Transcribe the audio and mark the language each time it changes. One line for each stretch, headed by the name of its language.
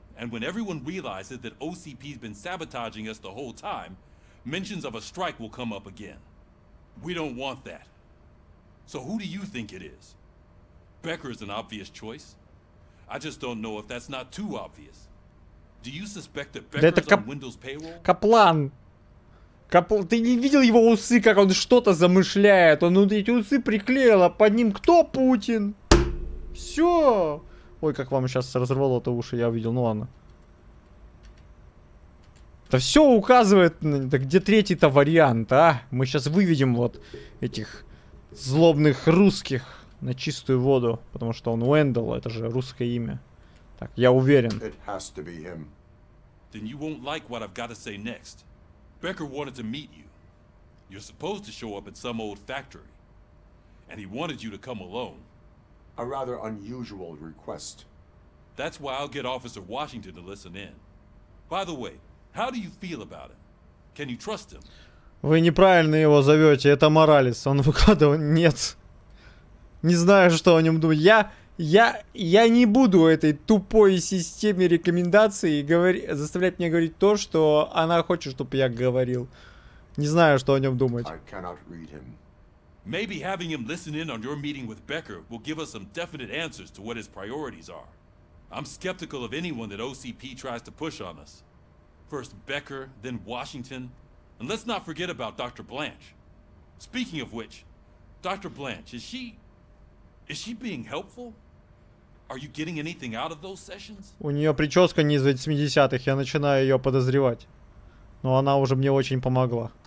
English: And when everyone realizes that OCP's been sabotaging us the whole time, mentions of a strike will come up again. We don't want that. So who do you think it is? Becker is an obvious choice. I just don't know if that's not too obvious. Do you suspect that Becker's
Russian: да
English: on Windows payroll?
Russian: Каплан. Ты не видел его усы, как он что-то замышляет? Он вот эти усы приклеил, а под ним кто? Путин. Все. Ой, как вам сейчас разорвало это уши, я увидел. Ну ладно. Это все указывает, да где третий-то вариант, а? Мы сейчас выведем вот этих злобных русских на чистую воду, потому что он Уэндалл, это же русское имя. Так, я уверен.
English: It has to be him. Then you won't like what I've got to say next. Becker wanted to meet you. You're supposed to show up at some old factory. And he wanted you to come alone. A rather unusual request. That's why I'll get Officer Washington to listen in. By the way, how do you feel about him? Can you trust him?
Russian: Вы неправильно его зовете, это Моралес. Он выкладывал... Нет. Не знаю, что о нем думать. Я не буду этой тупой системе рекомендаций заставлять мне говорить то, что она хочет, чтобы я говорил. Не знаю, что о нем думать.
English: I cannot read him. Maybe having him listen in on your meeting with Becker will give us some definite answers to what his priorities are. I'm skeptical of anyone that OCP tries to push on us. First Becker, then Washington. And let's not forget about Dr. Blanche. Speaking of which, Dr. Blanche, is she being helpful? Are you getting anything out of those sessions?
Russian: У нее прическа не из 80-х, я начинаю ее подозревать. Но она уже мне очень помогла.